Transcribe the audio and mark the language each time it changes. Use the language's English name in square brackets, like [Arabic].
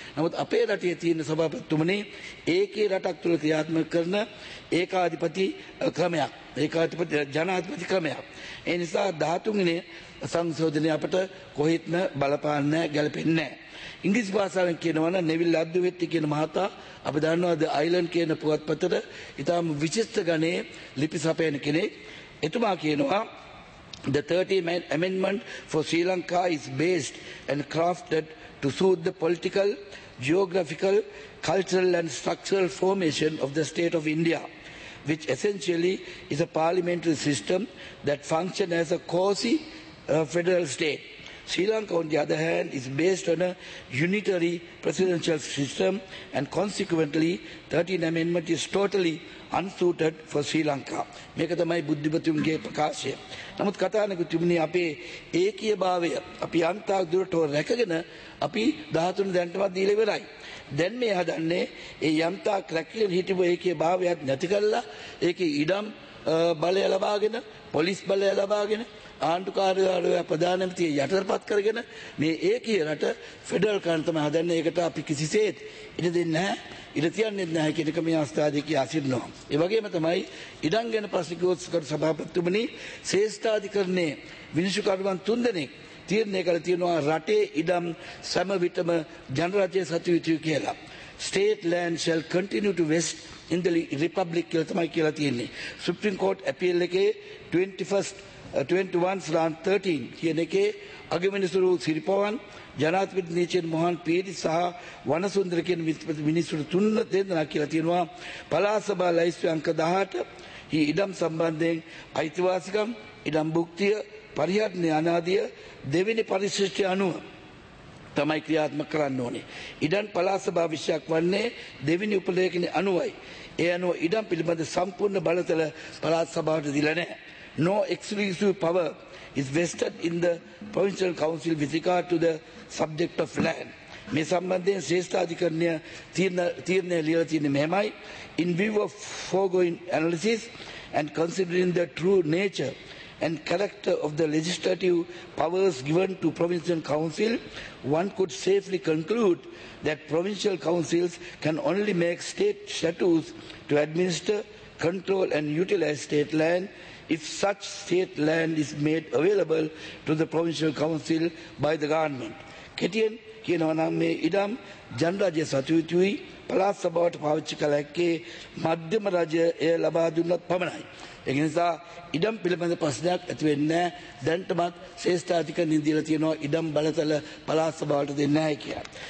[Sinhala] නමුත් අපේ රටේ තියෙන සභාපතිතුමනි ඒකේ රටක් තුළ ක්‍රියාත්මක කරන ඒකාධිපති ක්‍රමයක්, ඒකාධිපති ජනාධිපති ක්‍රමයක්. ඒ නිසා 13 වෙනි සංශෝධනය අපට කොහෙත්ම බලපාන්නේ නැහැ, ගැළපෙන්නේ නැහැ. ඉංග්‍රීසි භාෂාවෙන් කියනවනම් නෙවිල් අද්දුවෙත්ති කියන මහතා, අපි දන්නවාද අයිලන්ඩ් කියන පුවත්පතට ඉතාම විචිත්‍ර ගණයේ ලිපි සපයන කෙනෙක්. එතුමා කියනවා [English] the 30th amendment for Sri Lanka is based and crafted to suit the political, geographical, cultural and structural formation of the state of India, which essentially is a parliamentary system that functions as a quasi federal state. Sri Lanka, on the other hand, is based on a unitary presidential system and consequently 13th amendment is totally unsuited for Sri Lanka. [Sinhala] මේක තමයි බුද්ධිමතුන්ගේ ප්‍රකාශය. නමුත් කතානක තුමනි අපේ ඒකීය භාවය අපි අන්තා දුරටව රැකගෙන අපි 13 දැන්ටවත් දීලා ඉවරයි. දැන් මේ හදන්නේ ඒ යම්තා ක්‍රැක්ලින් හිටපු ඒකේ භාවයක් නැති කරලා ඒක ඉඩම් බලය ලබාගෙන පොලිස් බලය ලබාගෙන ආණ්ඩුකාරයාලය ප්‍රධානමතිය යටතපත් කරගෙන මේ ඒකේ රට ෆෙඩරල් කරන්න තමයි හදන්නේ. ඒකට අපි කිසිසේත් ඉඩ දෙන්නේ නැහැ, ඉඩ තියන්නේ නැහැ කියන එක මේ අවස්ථාවේ කිය අසිරනවා. ඒ වගේම තමයි ඉඩම් ගැන ප්‍රශ්න කෝස්කර සභාපතිතුමනි ශ්‍රේෂ්ඨාධිකරණයේ විනිශ්චයකරුවන් තුන්දෙනෙක් තීරණය කළ තියෙනවා රටේ ඉඩම් සෑම විටම ජනරජයේ සතු යුතුය කියලා. [English] State land shall continue to vest in the republic [Sinhala] කියලා තමයි කියලා තියෙන්නේ. [English] Supreme Court appeal [Sinhala] එකේ 21/13 කියන එකේ අගමිනිසුරු සිරිපවන්, ජනාධිපති නීචන් මොහන් පීරි සහ වනසුන්දර කියන මිනිසුරු තුන දෙනා කියලා තියෙනවා. පළාත් සභා ලැයිස්තුවේ අංක 18 මේ ඉඩම් සම්බන්ධයෙන් අයිතිවාසිකම්, ඉඩම් භුක්තිය, පරිහරණ අනාදිය දෙවෙනි පරිශිෂ්ටය අනුව තමයි ක්‍රියාත්මක කරන්න ඕනේ. ඉඩම් පළාත් සභා විෂයක් වන්නේ දෙවෙනි උපදේශකිනේ අනුවයි. ඒ අනුව ඉඩම් පිළිබඳ සම්පූර්ණ බලතල පළාත් සභාවට දීලා නැහැ. [English] No exclusive power is vested in the provincial council with regard to the subject of land. [Sinhala] මේ සම්බන්ධයෙන් ශ්‍රේෂ්ඨාධිකරණය තීරණය ලියලා තියෙන්නේ මෙහෙමයි. [English] In view of foregoing analysis and considering the true nature and character of the legislative powers given to provincial council, one could safely conclude that provincial councils can only make state statutes to administer, control and utilize state land if such state land is made available to the provincial council by the government. [Sinhala] කෙටියෙන් කියනවා නම් මේ ඉඩම් ජනරජයේ සතු යුතුයි, පළාත් සභාවට පාවිච්චි කළ හැක්කේ මධ්‍යම රජය එය ලබා දුන්නත් පමණයි. ඒක නිසා ඉඩම් පිළිබඳ ප්‍රශ්නයක් ඇති වෙන්නේ නැහැ. දැන්ටමත් ශ්‍රේෂ්ඨාධිකරණය දීලා තියෙනවා ඉඩම් බලතල පළාත් සභාවට දෙන්නේ නැහැ කියලා.